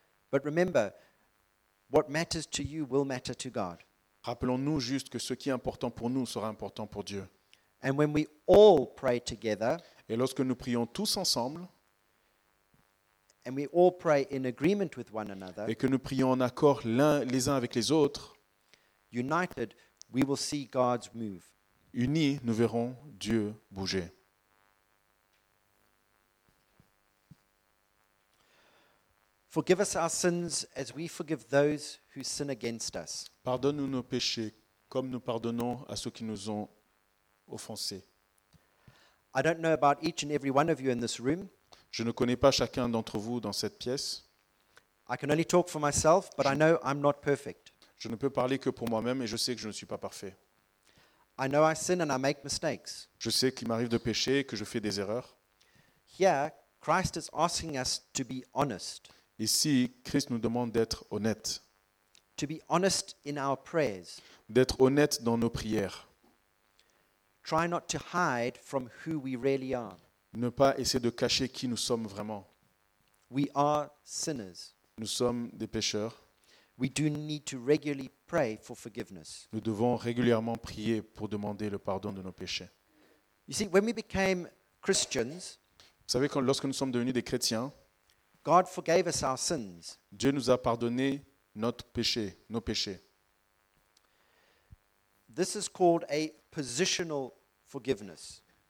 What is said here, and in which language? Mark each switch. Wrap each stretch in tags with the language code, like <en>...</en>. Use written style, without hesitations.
<en>But remember, what matters to you will matter to God.</en> <fr>Rappelons-nous juste que ce qui est important pour nous sera important pour Dieu.</fr> <en>And when we all pray together,</en> <fr>et lorsque nous prions tous ensemble,</fr> <en>and we all pray in agreement with one another,</en> <fr>et que nous prions en accord les uns avec les autres,</fr> <en>united, we will see God's move.</en> <fr>Unis, nous verrons Dieu bouger.</fr> <en>Forgive us our sins as we forgive those who sin against us.</en> <fr>Pardonne-nous nos péchés comme nous pardonnons à ceux qui nous ont offensés.</fr> <en>I don't know about each and every one of you in this room.</en> <fr>Je ne connais pas chacun d'entre vous dans cette pièce.</fr> <en>I can only talk for myself, but I know I'm not perfect.</en> <fr>Je ne peux parler que pour moi-même et je sais que je ne suis pas parfait.</fr> <en>I know I sin and I make mistakes.</en> <fr>Je sais qu'il m'arrive de pécher et que je fais des erreurs.</fr> <en>Here, Christ is asking us to be honest.</en> <fr>Ici, Christ nous demande d'être honnête.</fr> <en>To be honest in our prayers.</en> <fr>D'être honnête dans nos prières.</fr> <en>Try not to hide from who we really are.</en> <fr>Ne pas essayer de cacher qui nous sommes vraiment.</fr> <en>We are sinners.</en> <fr>Nous sommes des pécheurs.</fr> <en>We do need to regularly pray for forgiveness.</en> <fr>Nous devons régulièrement prier pour demander le pardon de nos péchés.</fr> <en>You see, when we became Christians,</en> <fr>vous savez, lorsque nous sommes devenus des chrétiens,</fr> <en>God forgave us our sins.</en> <fr>Dieu nous a pardonné notre péché, nos péchés.</fr> <en>This is called a positional forgiveness.</en>